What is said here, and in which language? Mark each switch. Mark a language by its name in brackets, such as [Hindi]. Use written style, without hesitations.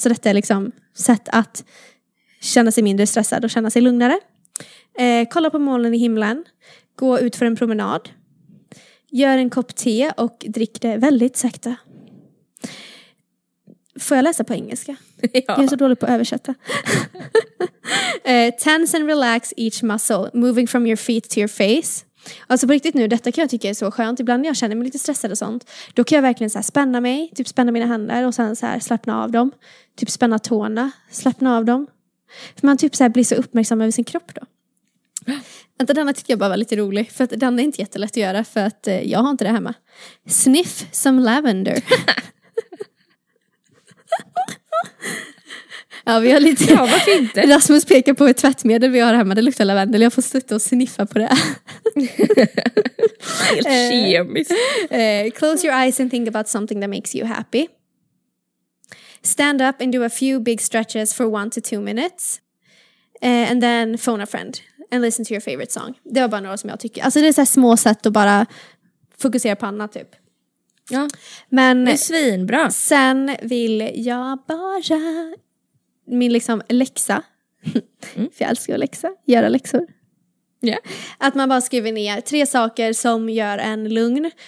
[Swedish] Så detta är liksom sätt att känna sig mindre stressad och känna sig lugnare. Kolla på molnen i himlen. Gå ut för en promenad. Gör en kopp te och drick det väldigt sakta. Får jag läsa på engelska? Ja. Jag är så dålig på att översätta. [English] Tense and relax each muscle, moving from your feet to your face. [Swedish] Alltså på riktigt nu, detta kan jag tycka är så skönt. Ibland när jag känner mig lite stressad och sånt, då kan jag verkligen så här spänna mig, typ spänna mina händer och sen så här slappna av dem. Typ spänna tårna, slappna av dem. För man typ så här blir så uppmärksam över sin kropp då. Vänta, denna tycker jag bara var lite rolig. För att denna är inte jättelätt att göra, för att jag har inte det hemma. [English] Sniff some lavender. [Swedish] Ja, vi har lite... Ja, varför inte? Rasmus pekar på ett tvättmedel vi har hemma. Det luktar lavendel. Jag får sitta och sniffa på det. Helt kemiskt. [English] Close your eyes and think about something that makes you happy. Stand up and do a few big stretches for 1 to 2 minutes. And then phone a friend. And listen to your favorite song. [Swedish] Det var bara några som jag tycker... Alltså det är så här små sätt att bara fokusera på annat typ. Ja, men det är svinbra. Sen vill jag bara... Min liksom läxa. Mm. För jag älskar att läxa. Göra läxor. Yeah. Att man bara skriver ner 3 saker som gör en lugn.